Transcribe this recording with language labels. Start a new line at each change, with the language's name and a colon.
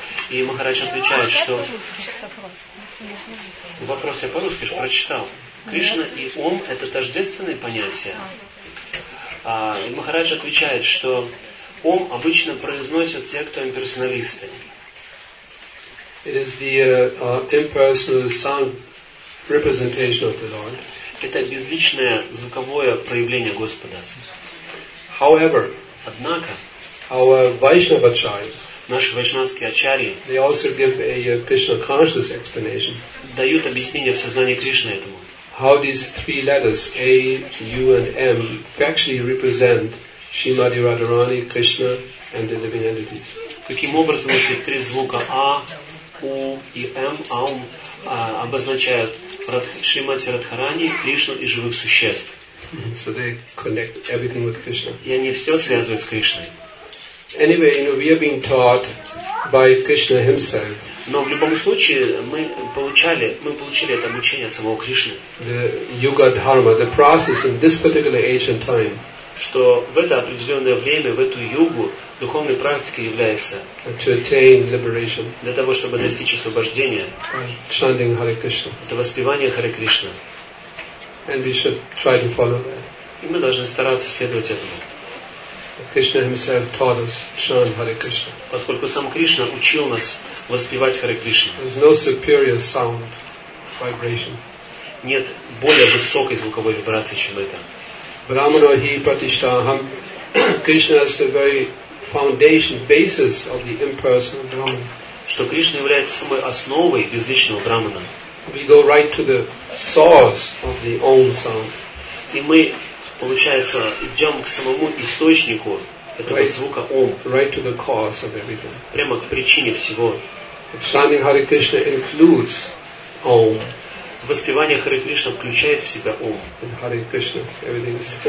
Russian: И Махарадж отвечает, что... Вопрос я по-русски же прочитал. Кришна и Ом — это тождественные понятия. А, и Махарадж отвечает, что Ом обычно произносят те, кто имперсоналисты.
English: It is the impersonal sound representation of the Lord.
Russian: Это безличное звуковое проявление Господа.
English: However,
Russian: однако,
English: our Vaishnava acharyas,
Russian: наши вайшнавские ачарьи,
English: they also give a Krishna consciousness explanation.
Russian: Дают объяснение в сознании Кришны этому.
English: How these three letters A, U, and M actually represent Shrimati Radharani, Krishna, and the living entities.
Russian: Каким образом эти три звука А, У и М обозначают Шримати Радхарани, Кришну и живых существ?
English: So they connect everything with Krishna.
Russian: И они все связывают с Кришной.
English: Anyway, you know, we are being taught by Krishna himself.
Russian: Но в любом случае мы получили это обучение от самого Кришны.
English: The Yuga Dharma, the process in this particular ancient time.
Russian: Что в это определенное время, в эту югу, духовной практикой является
English: to attain liberation.
Russian: Для того, чтобы достичь освобождения.
English: By chanting Hare Krishna.
Russian: Это воспевание Харе Кришна.
English: And we should try to follow that.
Russian: И мы должны стараться следовать этому.
English: Krishna himself taught us chant Hare Krishna.
Russian: Поскольку сам Кришна учил нас воспевать Харе Кришна.
English: There's no superior sound vibration.
Russian: Нет более высокой звуковой вибрации, чем это.
Sanskrit: Brahmano hi pratishtham.
English: Krishna is the very foundation, basis of the impersonal Brahman.
Russian: Что Кришна является самой основой безличного Брахмана.
English: We go right to the source of the Om sound.
Russian: И мы, получается, идем к самому источнику этого звука Ом.
English: Right to the cause of everything.
Russian: Прямо к причине всего.
English: Chanting Hare Krishna includes Om.
Russian: Воспевание Харе Кришна включает в себя Ом.
English: In Hare Krishna, everything is.